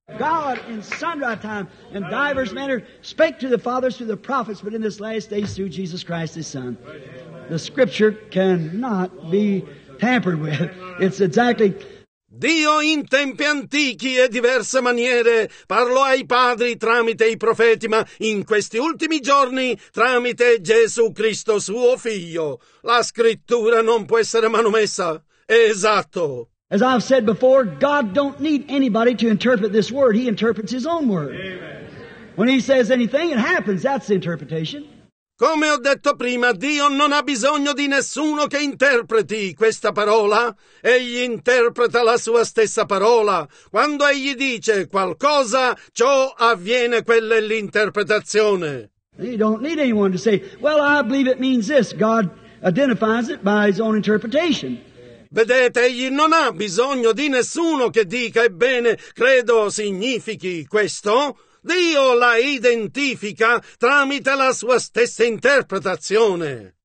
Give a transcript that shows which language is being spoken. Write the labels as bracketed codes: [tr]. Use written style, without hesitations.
[en] God in sundry time and divers manner spake to the fathers through the prophets, but in this last day through Jesus Christ His Son. The scripture cannot be tampered with. It's exactly. [it] Dio in tempi antichi e diverse maniere parlò ai padri tramite i profeti, ma in questi ultimi giorni tramite Gesù Cristo suo figlio. La scrittura non può essere manomessa. È esatto. [en] As I've said before, God don't need anybody to interpret this word. He interprets His own word. Amen. When He says anything, it happens. That's the interpretation. [it] Come ho detto prima, Dio non ha bisogno di nessuno che interpreti questa parola. Egli interpreta la sua stessa parola. Quando Egli dice qualcosa, ciò avviene, quella è l'interpretazione. [en] You don't need anyone to say, well, I believe it means this. God identifies it by His own interpretation. [it] Vedete, egli non ha bisogno di nessuno che dica, ebbene, credo significhi questo. Dio la identifica tramite la sua stessa interpretazione.